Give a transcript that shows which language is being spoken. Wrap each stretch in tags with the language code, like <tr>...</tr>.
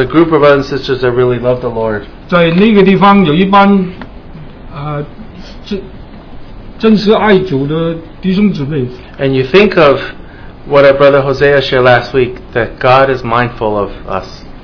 <en>a group of brothers and sisters that really love the Lord.</en> <zh>在那个地方有一般真实爱主的弟兄姊妹。</zh> <en>And you think of what our brother Hosea shared last week, that God is mindful of us.</en>